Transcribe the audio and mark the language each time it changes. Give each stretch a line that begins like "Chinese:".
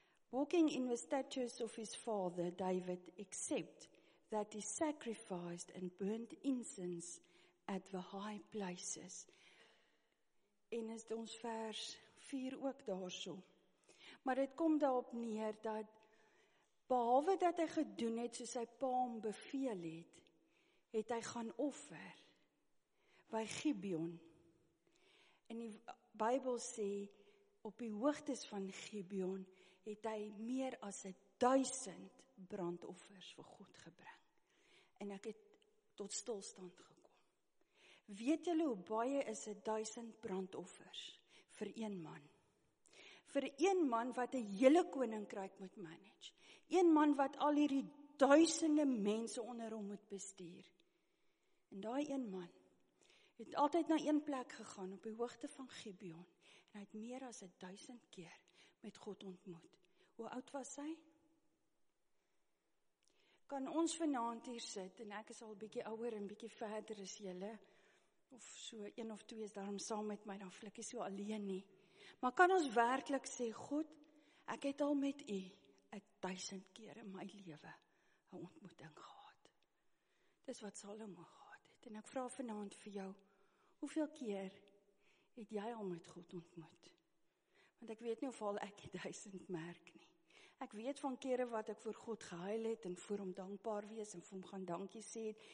English: Walking in the statutes of his father David, except that he sacrificed and burnt incense at the high places.
Afrikaans: En is ons vers 4 ook daarso. Maar dit kom daarop neer dat, behalwe dat hy gedoen het soos sy pa hom beveel het, het hy gaan offer by Gibeon. En die Bybel sê, op die hoogtes van Gibeon het hy meer as 1000 brandoffers vir God gebring. En ek het tot stilstand gekom. Weet julle hoe baie is 1000 brandoffers vir een man? Vir een man wat 'n hele koninkryk moet manage. Een man wat al hierdie duisende mense onder hom moet bestuur. En daai een man het altyd na een plek gegaan op die hoogte van Gibeon. En hy het meer as 1000 keer met God ontmoet. Hoe oud was hy? Kan ons vanaand hier sit, en ek is al bietjie ouer en bietjie verder as julle, of so een of twee is daarom saam met my, dan flikkie so alleen nie. Maar kan ons werklik sê, God, ek het al met u 1000 keer in my lewe 'n ontmoeting gehad. Dis wat Salomo gehad het. En ek vra vanaand vir jou, hoeveel keer het jy al met God ontmoet? Want ek weet nie of al ek die 1000 merk nie. Ek weet van kere wat ek voor God gehuil het en voor hom dankbaar wees en voor hom gaan dankie sê.